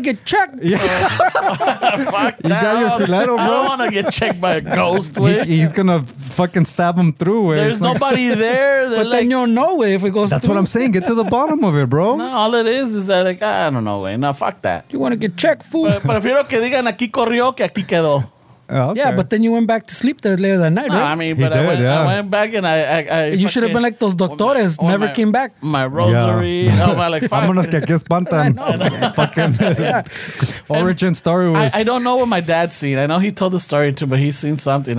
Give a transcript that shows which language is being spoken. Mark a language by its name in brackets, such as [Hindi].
[English] get checked? Yeah. Fuck you You got your filetto, bro. I don't want to get checked by a ghost, way. He's gonna fucking stab him through, way. There's nobody there. Then you'll know, way, if it goes. That's through. What I'm saying. Get to the bottom of it, bro. No, all it is that like I don't know, way. No, fuck that. You want to get checked, fool? [Spanish] Prefiero que digan aquí corrió que aquí quedó. [English] Oh, okay. Yeah, but then you went back to sleep there later that night, right? I mean, but I went back and I you should have been like those doctores, never came back. My rosary. Yeah. No, like, [Spanish] vámonos que aquí espantan. [English] Fucking origin story was. I don't know what my dad seen. I know he told the story too, but he seen something.